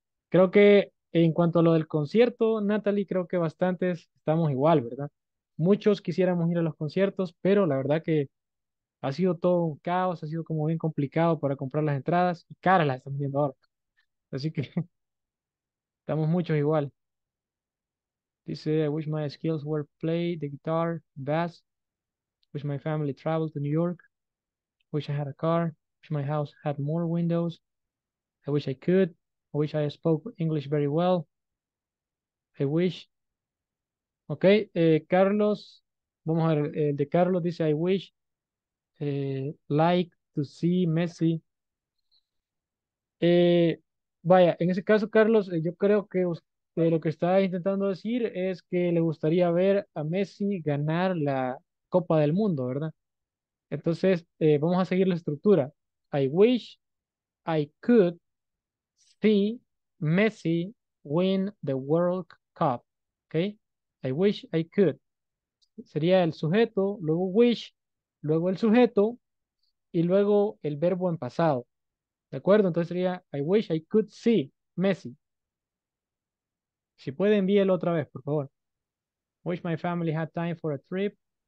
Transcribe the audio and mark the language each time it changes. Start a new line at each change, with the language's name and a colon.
Spanish: Creo que en cuanto a lo del concierto, Natalie, creo que bastantes estamos igual, ¿verdad? Muchos quisiéramos ir a los conciertos, pero la verdad que ha sido todo un caos, ha sido como bien complicado para comprar las entradas y caras las estamos viendo ahora. Así que estamos muchos igual. Dice,
English: I wish my skills were play the guitar, bass. Wish my family traveled to New York. Wish I had a car. Wish my house had more windows. I wish I could. I wish I spoke English very well. I wish.
Spanish: Ok, Carlos. Vamos a ver, el de Carlos dice,
English: I wish. Like to see Messi.
Spanish: Vaya, en ese caso, Carlos, yo creo que usted, lo que está intentando decir es que le gustaría ver a Messi ganar la Copa del Mundo, ¿verdad? Entonces, vamos a seguir la estructura.
English: I wish I could see Messi win the World Cup. ¿Ok? I wish I could.
Spanish: Sería el sujeto, luego wish, luego el sujeto y luego el verbo en pasado. ¿De acuerdo? Entonces sería
English: I wish I could see Messi.
Spanish: Si puede, envíelo otra vez, por favor.
English: Wish my family had time for a trip.